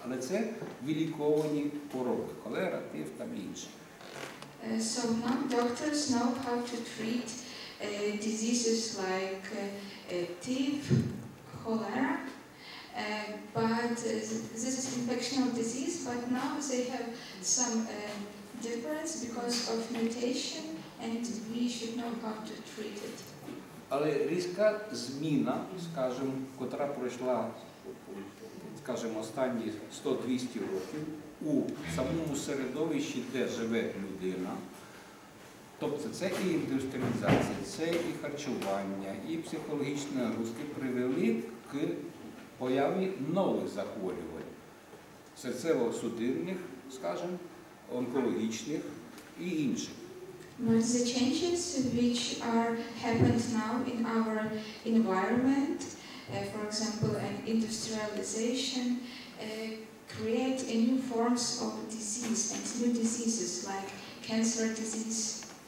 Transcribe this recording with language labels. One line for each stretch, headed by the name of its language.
Ukrainian: Але це виліковані хвороби – холера, тиф та інші.
English: So now doctors know how to treat diseases like тиф, холера, but this is infectional disease, but now they have some difference because of mutation and we should know how to treat it.
Ukrainian: Але різка зміна, скажімо, котра пройшла, скажімо, останні 100-200 років у самому середовищі, де живе людина. Тобто це і індустріалізація, це і харчування, і психологічні нагрузки привели к появі нових захворювань серцево-судинних, скажімо, онкологічних і інших.
English: But the changes which are happened now in our environment, for example, an industrialization, create a new forms of disease and new diseases like cancer disease.